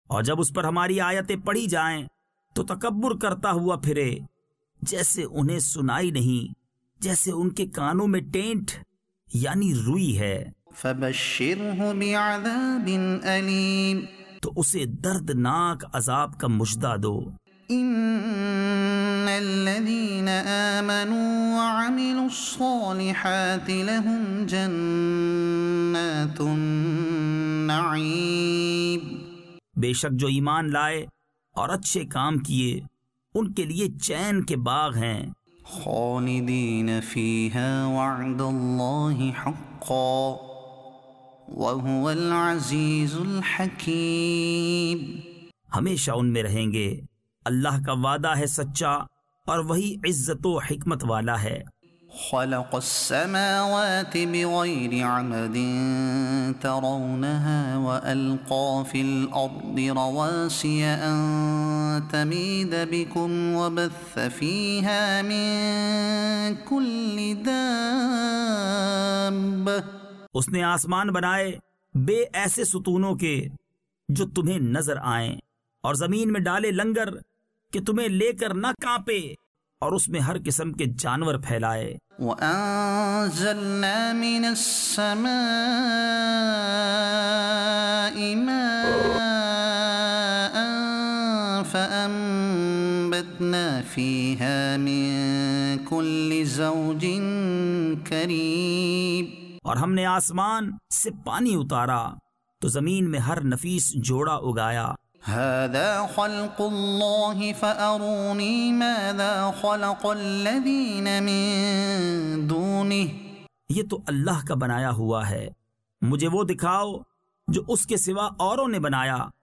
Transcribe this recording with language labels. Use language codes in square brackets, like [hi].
[ur] اور جب اس پر ہماری آیتیں پڑھی جائیں تو تکبر کرتا ہوا پھرے جیسے انہیں سنائی نہیں, جیسے ان کے کانوں میں ٹینٹ یعنی روئی ہے. [ar] فبشره بعذاب أليم [ur] تو اسے دردناک عذاب کا مژدہ دو. [ar] إن الذين آمنوا وعملوا الصالحات لهم جنات النعيم [ur] بے شک جو ایمان لائے اور اچھے کام کیے ان کے لیے چین کے باغ ہیں. [ar] خالدین فیہا وعد اللہ حقا وہو العزیز الحکیم [ur] ہمیشہ ان میں رہیں گے, اللہ کا وعدہ ہے سچا اور وہی عزت و حکمت والا ہے. [ar] خلق السماوات بغیر عمد ترونها وألقى في الأرض رواسي أن تميد بكم وبث فيها من كل دابة [ur] اس نے آسمان بنائے بے ایسے ستونوں کے جو تمہیں نظر آئیں اور زمین میں ڈالے لنگر کہ تمہیں لے کر نہ کانپے اور اس میں ہر قسم کے جانور پھیلائے. [ar] وَأَنزَلْنَا مِنَ السَّمَاءِ مَاءً فَأَنبَتْنَا فِيهَا مِن كُلِّ زَوْجٍ كَرِيمٍ [ur] اور ہم نے آسمان سے پانی اتارا تو زمین میں ہر نفیس جوڑا اگایا. [ar] هذا خلق الله فأروني ماذا خلق الذين من دونه [ur] یہ تو اللہ کا بنایا ہوا ہے, مجھے وہ دکھاؤ جو اس کے سوا اوروں نے بنایا.